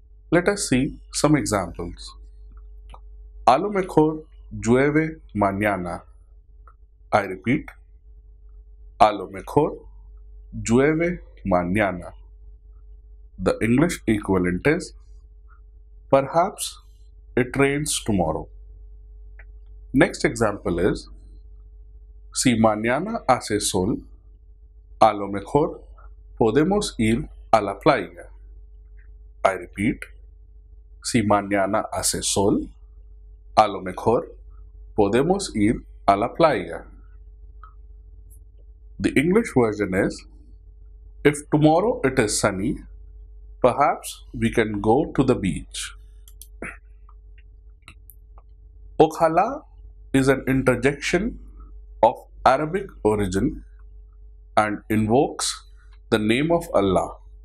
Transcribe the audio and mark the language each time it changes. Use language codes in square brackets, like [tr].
[en] Let us see some examples. [es] A lo mejor llueve mañana. [en] I repeat, [es] a lo mejor llueve mañana. [en] The English equivalent is, perhaps it rains tomorrow. Next example is, [es] si mañana hace sol, a lo mejor podemos ir a la playa. [en] I repeat, [es] si mañana hace sol, a lo mejor podemos ir a la playa. [en] The English version is, if tomorrow it is sunny, perhaps we can go to the beach. Ojalá is an interjection of Arabic origin and invokes the name of Allah.